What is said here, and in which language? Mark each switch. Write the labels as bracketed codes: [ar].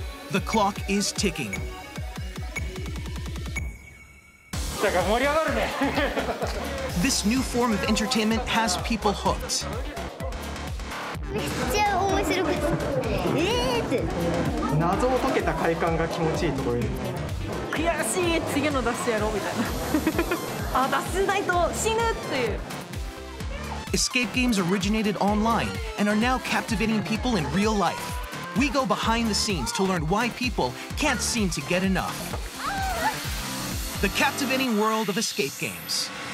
[en] The clock is ticking. This new form of entertainment has people hooked. [ja] めっちゃ面白かった。謎を解けた快感が気持ちいいところに。悔しい、次の出すやろうみたいな。あ、出せないと死ぬっていう。 [en] Escape games originated online and are now captivating people in real life. We go behind the scenes to learn why people can't seem to get enough. The captivating world of escape games.